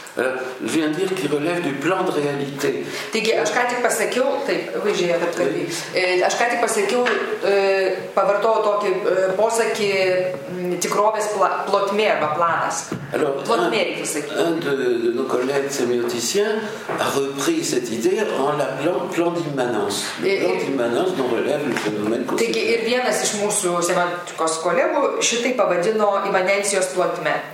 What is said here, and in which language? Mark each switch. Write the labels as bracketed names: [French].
[French] Je viens dire qu'il relève du plan de réalité. [Lithuanian] Taigi, aš ką tik pasakiau, taip, vaizdžiai, kad kalbėjau. Aš ką tik pasakiau, pavartojau tokį posakį tikrovės plotmė arba planas. [French] Alors, [Lithuanian] plotmė, reikia sakyti. [French] Un de nos collègues sémioticiens a repris cette idée en l'appelant plan d'immanence. Le plan d'immanence dont relève le phénomène conceptuel. [Lithuanian] Taigi, ir vienas iš mūsų semantikos kolegų šitai pavadino imanencijos plotmė.